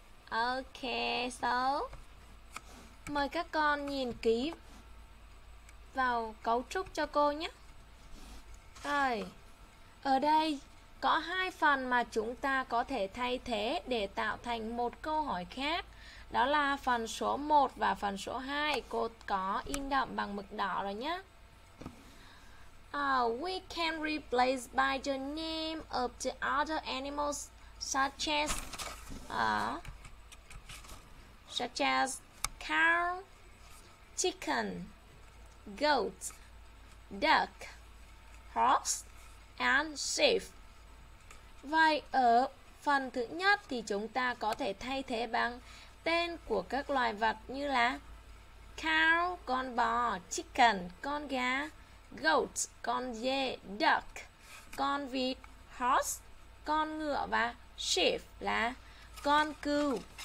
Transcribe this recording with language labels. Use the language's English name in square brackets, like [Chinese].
[Vietnamese] Ok, so mời các con nhìn kỹ vào cấu trúc cho cô nhé. Rồi, ở đây có hai phần mà chúng ta có thể thay thế để tạo thành một câu hỏi khác. Đó là phần số 1 và phần số 2. Cô có in đậm bằng mực đỏ rồi nhé. [English] We can replace by the name of the other animals such as cow, chicken, goat, duck, horse, and sheep. [Vietnamese] Vậy ở phần thứ nhất thì chúng ta có thể thay thế bằng tên của các loài vật như là cow, con bò, chicken, con gà, goat, con dê, duck, con vịt, horse, con ngựa và sheep là con cừu.